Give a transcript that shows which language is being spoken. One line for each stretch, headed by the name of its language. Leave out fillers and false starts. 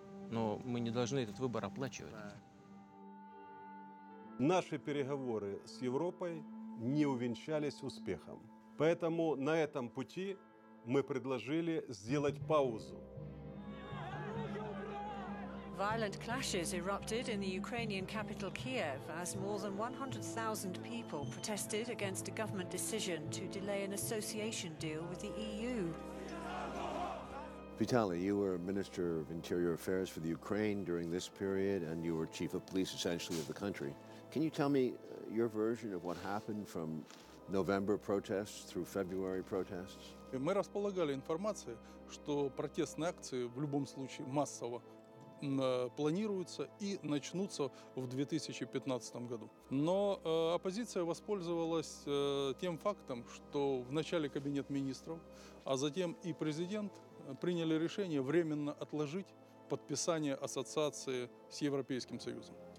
Russian: Но мы не должны этот выбор оплачивать. Наши переговоры с Европой не увенчались успехом. Поэтому на этом пути мы предложили сделать паузу.
English: Violent clashes erupted in the Ukrainian capital Kiev as more than 100,000 people protested against a government decision to delay an association deal with the EU. Vitaly, you were Minister of Interior Affairs for the Ukraine during this period, and you were Chief of Police, essentially, of the country. Can you tell me your version of what happened from November protests through February protests?
Russian: Мы располагали информацией, что протестные акции в любом случае массово планируются и начнутся в 2015 году. Но оппозиция воспользовалась тем фактом, что в начале кабинет министров, а затем и президент приняли решение временно отложить подписание ассоциации с Европейским Союзом.